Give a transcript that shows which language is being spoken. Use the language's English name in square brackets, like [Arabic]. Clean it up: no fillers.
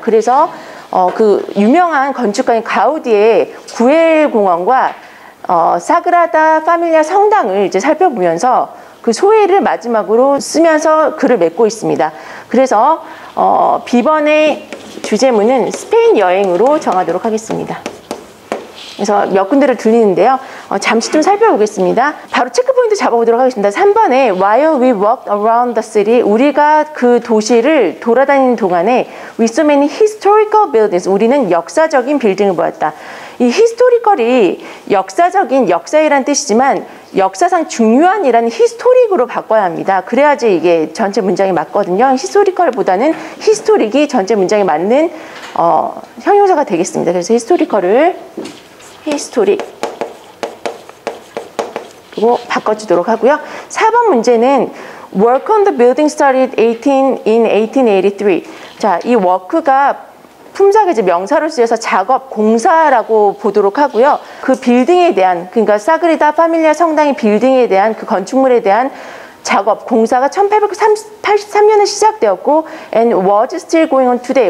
[Korean] 그래서 그 유명한 건축가인 가우디의 구엘 공원과 사그라다 파밀리아 성당을 이제 살펴보면서 그 소회를 마지막으로 쓰면서 글을 맺고 있습니다. 그래서 B번의 주제문은 스페인 여행으로 정하도록 하겠습니다. 그래서 몇 군데를 들리는데요. 잠시 좀 살펴보겠습니다. 바로 체크포인트 잡아보도록 하겠습니다. [English] 3번에 While we walked around the city, [Korean] 우리가 그 도시를 돌아다니는 동안에 [English] We saw many historical buildings. [Korean] 우리는 역사적인 빌딩을 보았다. 이 historical이 역사적인, 역사이란 뜻이지만 역사상 중요한이라는 historic으로 바꿔야 합니다. 그래야지 이게 전체 문장이 맞거든요. historical보다는 historic이 전체 문장에 맞는 형용사가 되겠습니다. 그래서 historical을 히스토리 그리고 바꿔주도록 하고요. 4번 문제는 [English] Work on the building started 1883. [Korean] 자, 이 work가 품사계제 명사로 쓰여서 작업, 공사라고 보도록 하고요. 그 빌딩에 대한, 그러니까 사그리다 파밀리아 성당의 빌딩에 대한 그 건축물에 대한 작업, 공사가 1883년에 시작되었고 [English] and was still going on today.